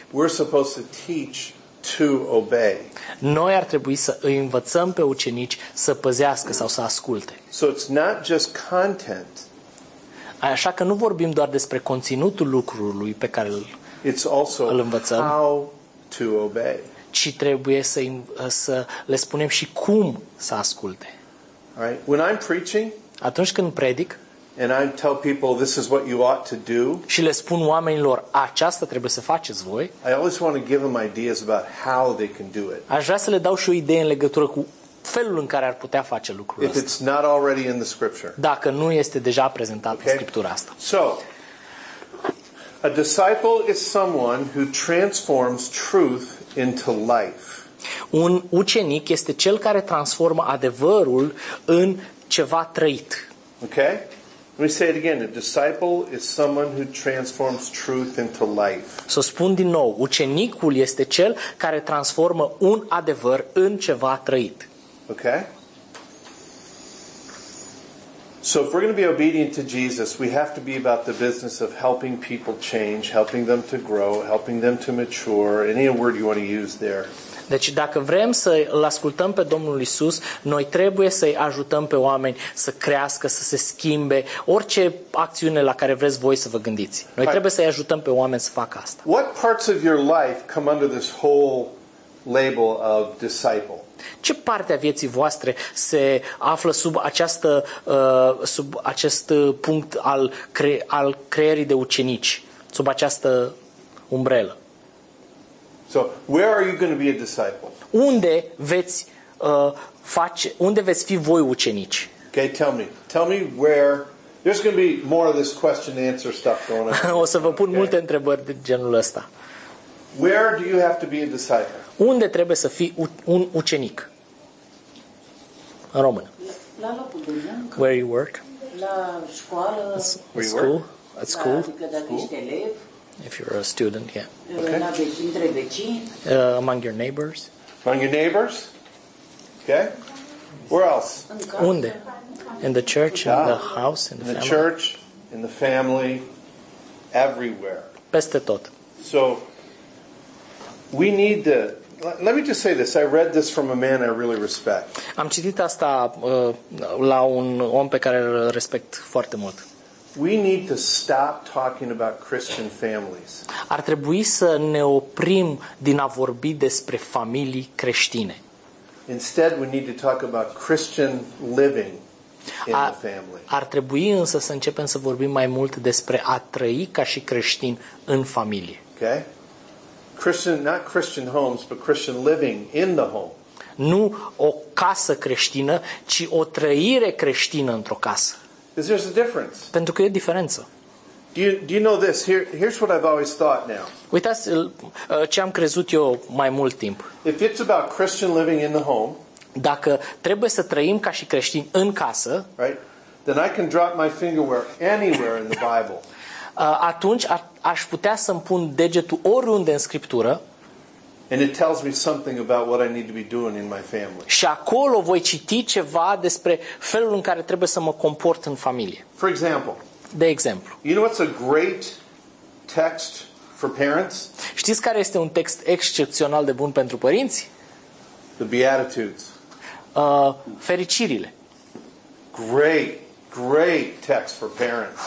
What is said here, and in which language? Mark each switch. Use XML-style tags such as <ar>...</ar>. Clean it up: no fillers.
<en>We're supposed to teach to obey.</en> <ro>Noi ar trebui să îi învățăm pe ucenici să păzească sau să asculte.</ro> <en>So it's not just content.</en> <ro>Așa că nu vorbim doar despre conținutul lucrului pe care îl învățăm.</ro> <en>It's also how to obey.</en> <ro>Ci trebuie să le spunem și cum să asculte.</ro> <en>Right. When I'm preaching,</en> <ro>atunci când predic,</ro> <en>And I tell people this is what you ought to do.</en> <ro>Și le spun oamenilor, aceasta trebuie să faceți voi.</ro> <en>I always want to give them ideas about how they can do it.</en> <ro>Aș vrea să le dau și o idee în legătură cu felul în care ar putea face lucrul ăsta.</ro> <en>If it's not already in the scripture.</en> <ro>Dacă nu este deja prezentat în scriptura asta.</ro> <en>So, a disciple is someone who transforms truth into life.</en> <ro>Un ucenic este cel care transformă adevărul în ceva trăit.</ro> <en>Okay? Let me say it again. A disciple is someone who transforms truth into life.</en> <ro>Să spun din nou, ucenicul este cel care transformă un adevăr în ceva trăit.</ro> <en>Okay? So if we're going to be obedient to Jesus, we have to be about the business of helping people change, helping them to grow, helping them to mature, any word you want to use there.</en> <ro>Deci dacă vrem să îl ascultăm pe Domnul Iisus, noi trebuie să-i ajutăm pe oameni să crească, să se schimbe, orice acțiune la care vreți voi să vă gândiți. Noi trebuie să-i ajutăm pe oameni să facă asta.</ro> <en>What parts of your life come under this whole label of disciple?</en> <ro>Ce parte a vieții voastre se află sub această sub acest punct al al creierii de ucenici, sub această umbrelă?</ro> <en>So, where are you going to be a disciple?</en> <ro>Unde veți face, unde veți fi voi ucenici?</ro> <en>Okay, tell me. Tell me where. There's going to be more of this question and answer stuff going on.</en> <ro>O să vă pun multe întrebări de genul ăsta.</ro> <en>Where do you have to be a disciple?</en> <ro>Unde trebuie să fii un ucenic? În română. La locul de muncă.</ro> <en>Where you work?</en> <ro>La școală.</ro> <en>At school? Work? At school?</en> <ro>Adică dacă</ro> <en>school?</en> <ro>Ești elev.</ro> <en>If you're a student, yeah.</en> <ro>Okay. La vecini, între vecini.</ro> <en>Among your neighbors. Among your neighbors? Okay. Where else?</en> <ro>Unde?</ro> <en>In the church, in the house, in the family. In the church, in the family, everywhere.</en> <ro>Peste tot.</ro> <en>So, we need to, let me just say this, I read this from a man I really respect.</en> <ro>Am citit asta la un om pe care îl respect foarte mult.</ro> <en>We need to stop talking about Christian families.</en> <ro>Ar trebui să ne oprim din a vorbi despre familii creștine.</ro> <en>Instead, we need to talk about Christian living in the family.</en> <ro>Ar trebui însă să începem să vorbim mai mult despre a trăi ca și creștin în familie.</ro> <en>Okay? Christian, not Christian homes, but Christian living in the home.</en> <ro>Nu o casă creștină, ci o trăire creștină într-o casă.</ro> <en>Is there a difference?</en> <ro>Pentru că e diferență.</ro> <en>Do you know this? Here's what I've always thought now.</en> <ro>Uitați ce am crezut eu mai mult timp.</ro> <en>If it's about Christian living in the home,</en> <ro>dacă trebuie să trăim ca și creștini în casă,</ro> <en>right? Then I can drop my finger anywhere in the Bible.</en> <ro>Atunci aș putea să-mi pun degetul oriunde în scriptură.</ro> <en>And it tells me something about what I need to be doing in my family.</en> <ro>Și acolo voi citi ceva despre felul în care trebuie să mă comport în familie.</ro> <en>For example.</en> <ro>De exemplu.</ro> <en>You know what's a great text for parents?</en> <ro>Știți care este un text excepțional de bun pentru părinți?</ro> <en>The Beatitudes.</en> <ro>Fericirile.</ro> <en>Great, great text for parents.</en>